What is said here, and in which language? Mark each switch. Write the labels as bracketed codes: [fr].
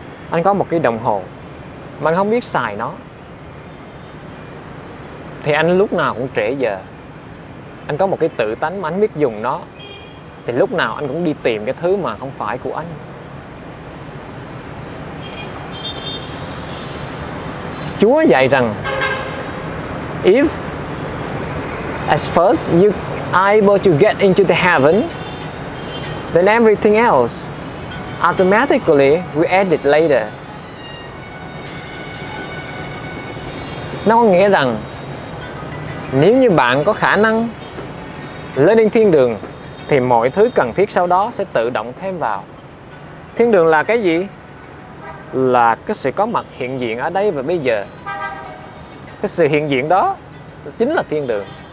[vi] Anh có một cái đồng hồ mà anh không biết xài nó thì anh lúc nào cũng trễ giờ. Anh có một cái tự tánh mà anh biết dùng nó thì lúc nào anh cũng đi tìm cái thứ mà không phải của anh. Chúa dạy rằng [en] if as first you able to get into the heaven, then everything else automatically we add it later. [vi] Nó có nghĩa rằng nếu như bạn có khả năng lên đến thiên đường thì mọi thứ cần thiết sau đó sẽ tự động thêm vào. Thiên đường là cái gì? Là cái sự có mặt hiện diện ở đây và bây giờ. Cái sự hiện diện đó chính là thiên đường.